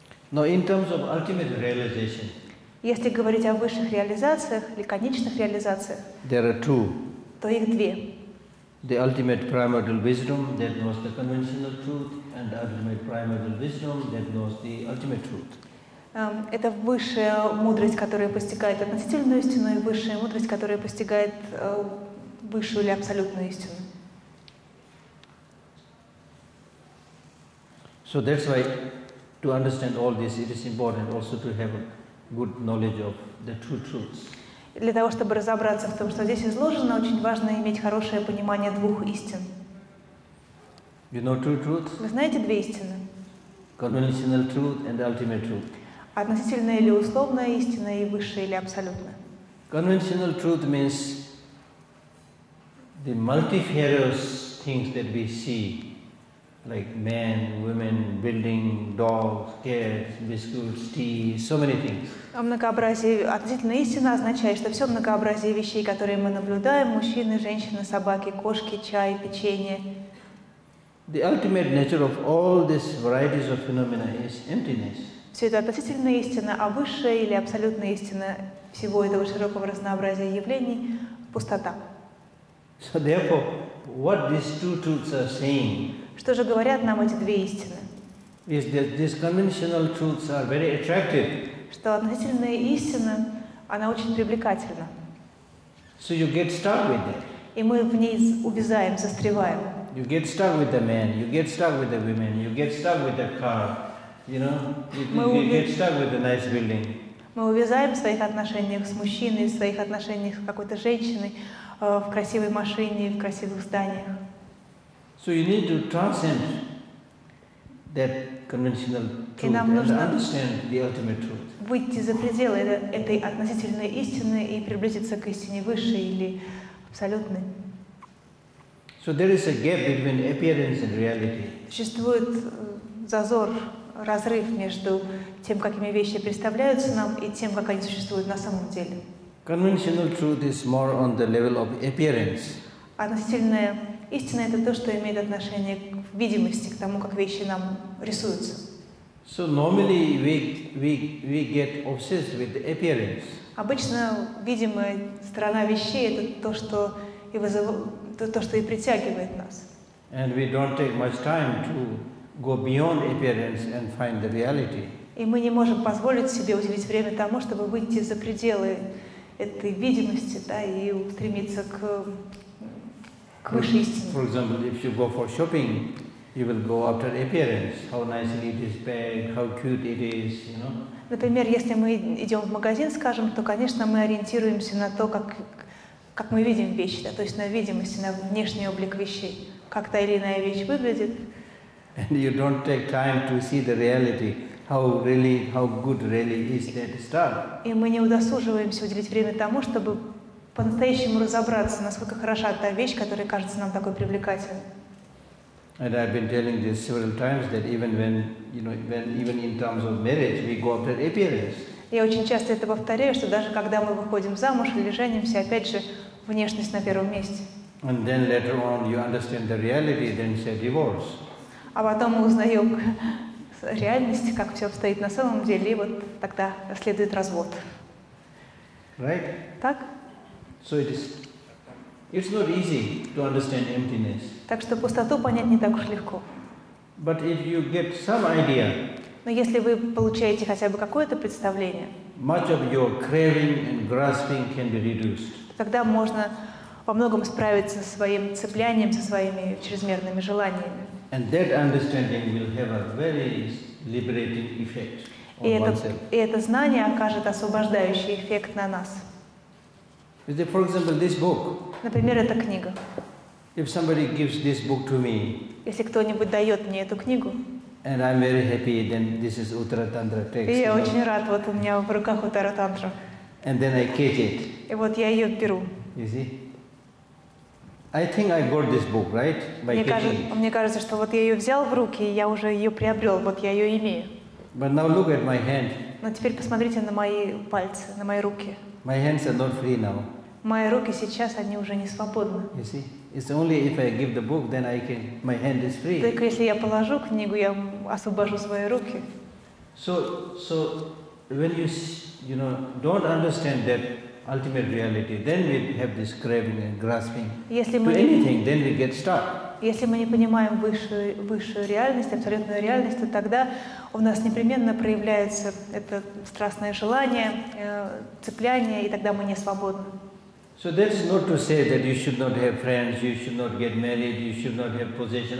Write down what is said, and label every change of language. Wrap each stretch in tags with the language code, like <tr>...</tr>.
<ru>Но</ru> <en>in terms of ultimate realization,</en> <ru>если говорить о высших реализациях или конечных реализациях,</ru> <en>there are two.</en> <ru>То их две.</ru> <en>The ultimate primordial wisdom that knows the conventional truth, and the ultimate primordial wisdom that knows the ultimate truth.</en> <ru>Это высшая мудрость, которая постигает относительную истину, и высшая мудрость, которая постигает высшую или абсолютную истину.</ru> <en>So that's why to understand all this, it is important also to have a good knowledge of the two truths.</en> <ru>Для того, чтобы разобраться в том, что здесь изложено, очень важно иметь хорошее понимание двух истин.</ru> <en>You know two truths?</en> <ru>Вы знаете две истины?</ru> <en>Conventional truth and ultimate truth.</en> <ru>Относительная или условная истина и высшая или абсолютная.</ru> <en>Conventional truth means the multifarious things that we see, like men, women, building, dogs, cats, biscuits, tea, so many things.</en> <ru>Многообразие, относительно истина означает, что все многообразие вещей, которые мы наблюдаем, мужчины, женщины, собаки, кошки, чай, печенье.</ru> <en>The ultimate nature of all these varieties of phenomena is emptiness.</en> <ru>Все это относительно истина, а высшая или абсолютная истина всего этого широкого разнообразия явлений – пустота.</ru> <en>So therefore, what these two truths are saying,</en> <ru>что же говорят нам эти две истины?</ru> <en>Is that these conventional truths are very attractive.</en> <ru>Что относительная истина, она очень привлекательна.</ru> <en>So you get stuck with it.</en> <ru>И мы в ней увязаем, застреваем.</ru> <en>You get stuck with the men, you get stuck with the women, you get stuck with the car, you know? You get stuck with the nice building.</en> <ru>Мы увязаем в своих отношениях с мужчиной, в своих отношениях с какой-то женщиной, в красивой машине, в красивых зданиях.</ru> <en>So you need to transcend that conventional truth and understand the ultimate truth.</en> <ru>Выйти за пределы этой относительной истины и приблизиться к истине высшей или абсолютной.</ru> <en>So there is a gap between appearance and reality.</en> <ru>Существует зазор, разрыв между тем, какими вещи представляются нам, и тем, как они существуют на самом деле.</ru> <en>Conventional truth is more on the level of appearance.</en> <ru>Относительная Истина — это то, что имеет отношение к видимости, к тому, как вещи нам рисуются.</ru> <en>So normally we get obsessed with appearance.</en> <ru>Обычно видимая сторона вещей — это то, что и то, что и притягивает нас.</ru> <en>And we don't take much time to go beyond appearance and find the reality.</en> <ru>И мы не можем позволить себе уделить время тому, чтобы выйти за пределы этой видимости, да, и стремиться к высшей истине.</ru> <en>For example, if you go for shopping, you will go after appearance. How nice it is, bag, how cute it is, you know.</en> <ru>Например, если мы идем в магазин, скажем, то, конечно, мы ориентируемся на то, как мы видим вещи, да, то есть на видимость, на внешний облик вещей, как та или иная вещь выглядит.</ru> <en>And you don't take time to see the reality. How good really is that stuff?</en> <ru>И мы не удосуживаемся уделить время тому, чтобы по-настоящему разобраться, насколько хороша та вещь, которая кажется нам такой привлекательной.</ru> <en>And I've been telling this several times that even when, you know, when even in terms of marriage, we go after appearance.</en> <ru>Я очень часто это повторяю, что даже когда мы выходим замуж или женимся, опять же, внешность на первом месте.</ru> <en>And then later on, you understand the reality, then say divorce.</en> <ru>А потом мы узнаем реальность, как все обстоит на самом деле, и вот тогда следует развод.</ru> <en>Right?</en> <ru>Так?</ru> <en>So it's not easy to understand emptiness.</en> <ru>Так что пустоту понять не так уж легко.</ru> <en>But if you get some idea,</en> <ru>но если вы получаете хотя бы какое-то представление,</ru> <en>much of your craving and grasping can be reduced.</en> <ru>Тогда можно во многом справиться со своим цеплянием, со своими чрезмерными желаниями.</ru> <en>And that understanding will have a very liberating effect on oneself.</en> <ru>И это знание окажет освобождающий эффект на нас.</ru> <en>Is it, for example, this book?</en> <ru>Например, эта книга.</ru> <en>If somebody gives this book to me,</en> <ru>если кто-нибудь дает мне эту книгу,</ru> <en>and I'm very happy, then this is Uttara Tantra text.</en> <ru>И я очень рад, вот у меня в руках Uttara Tantra.</ru> <en>And then I get it.</en> <ru>И вот я ее беру.</ru> <en>You see? I think I got this book, right? By catching.</en> <ru>Мне кажется, что вот я ее взял в руки, и я уже ее приобрел, вот я ее имею.</ru> <en>But now look at my hand.</en> <ru>Но теперь посмотрите на мои пальцы, на мои руки.</ru> <en>My hands are not free now.</en> <ru>Мои руки сейчас, они уже не свободны.</ru> <en>You see? It's only if I give the book, then I can, my hand is free.</en> <ru>Только если я положу книгу, я освобожу свои руки.</ru> <en>So when you don't understand that ultimate reality, then we have this craving and grasping to anything, then we get stuck.</en> <ru>Если мы не понимаем высшую реальность, абсолютную реальность, то тогда у нас непременно проявляется это страстное желание, цепляние, и тогда мы не свободны.</ru> <en>So that's not to say that you should not have friends, you should not get married, you should not have possession.</en>